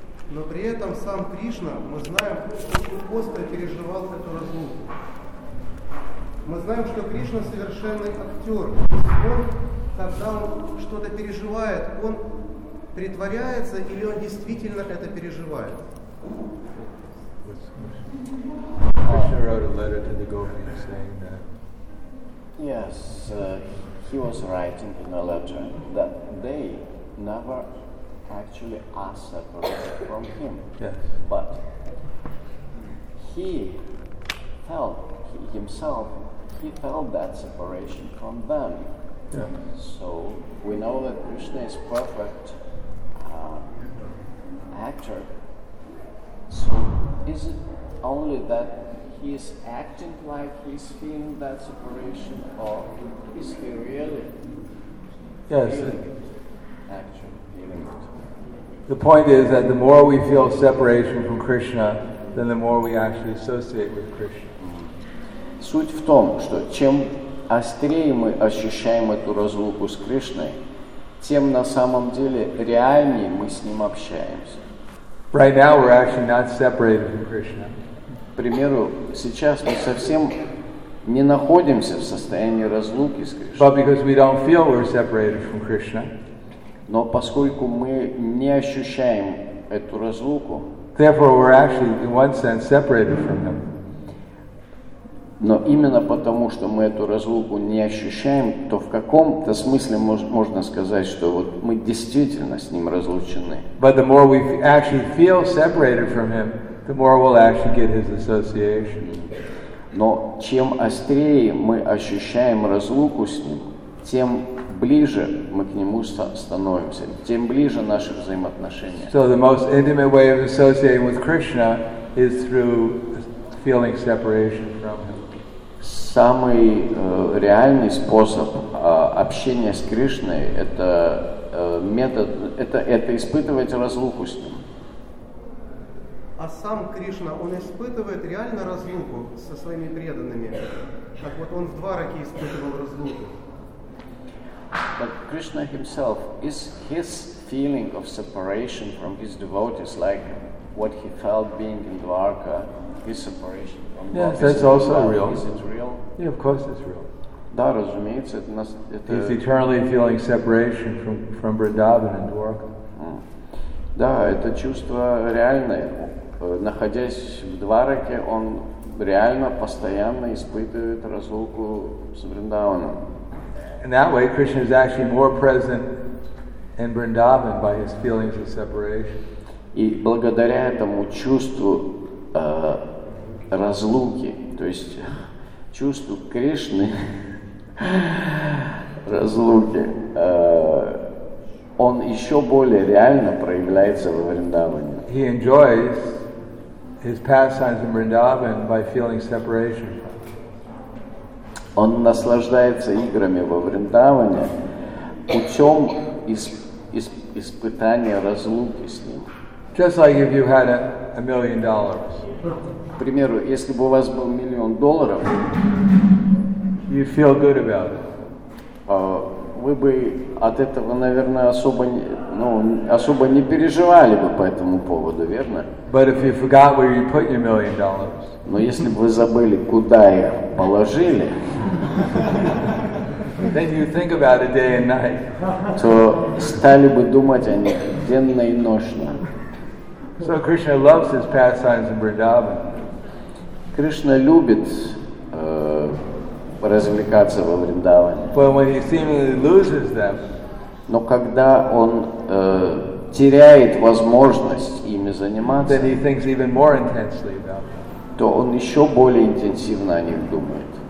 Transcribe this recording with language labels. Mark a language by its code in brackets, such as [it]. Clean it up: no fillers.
[ru] Но при этом сам Кришна, мы знаем, очень остро переживал эту разлуку. Мы знаем, что Кришна совершенный актер. Он, когда он что-то переживает, он притворяется или он действительно это переживает? [en] Krishna wrote a letter to the gopis saying that. Yes, he was writing in a letter that they never actually are separated from him. Yes. But he felt himself, he felt that separation from them. Yeah. So we know that Krishna is perfect actor. So is it only that he is acting like he's feeling that separation, or is he really feeling it? The point is that the more we feel separation from Krishna, then the more we actually associate with Krishna. [ru] Суть в том, что чем острее мы ощущаем эту разлуку с Кришной, тем на самом деле реальнее мы с ним общаемся. [en] Right now we're actually not separated from Krishna. [ru] К примеру, сейчас мы совсем не находимся в состоянии разлуки с Кришной. [en] But because we don't feel we're separated from Krishna. [ru] Но поскольку мы не ощущаем эту разлуку, [en] therefore we're actually in one sense separated from him. [ru] Но именно потому, что мы эту разлуку не ощущаем, то в каком-то смысле можно сказать, что вот мы действительно с ним разлучены. [en] But the more we actually feel separated from him, the more we'll actually get his association. [ru] Но чем острее мы ощущаем разлуку с ним, тем ближе мы к нему становимся, тем ближе наши взаимоотношения. [en] So the most intimate way of associating with Krishna is through feeling separation from him. [ru] Самый реальный способ общения с Кришной – это метод, это испытывать разлуку с ним. А сам Кришна, он испытывает реально разлуку со своими преданными? Как вот он в Двараке испытывал разлуку. [en] But Krishna himself, is his feeling of separation from his devotees like what he felt being in Dvaraka, his separation from yes, God? Yes, that's also real. Is it real? Yeah, of course it's real. [ru] Да, разумеется, это нас, это [en] he's eternally feeling separation from Vrindavan and Dvaraka. Mm. [ru] Да, это чувство реальное. Находясь в Двараке, он реально постоянно испытывает разлуку с Вриндаваном. [en] In that way, Krishna is actually more present in Vrindavan by his feelings of separation. [ru] И благодаря этому чувству разлуки, то есть чувству Кришны разлуки, он еще более реально проявляется во Вриндаване. [en] He enjoys his pastimes in Vrindavan by feeling separation. [ru] Он наслаждается играми во Вриндаване путем испытания разлуки с ним. [en] Just like if you had a million dollars. [ru] К примеру, если бы у вас был миллион долларов, [en] you feel good about it. [ru] Вы бы от этого, наверное, особо не переживали бы по этому поводу, верно? [en] But if you forgot where you put your million dollars. [ru] Но если бы вы забыли, куда их положили, [en] then you think about it day and night. [ru] То стали бы думать о них денно и ношно. [en] So Krishna loves his pastimes in Vrindavan. [ru] Krishna любит развлекаться во Вриндаване. [en] But when he seemingly loses them, [ru] но когда он теряет возможность ими заниматься, [en] then he thinks even more intensely about them. [ru] То он еще более интенсивно о них думает.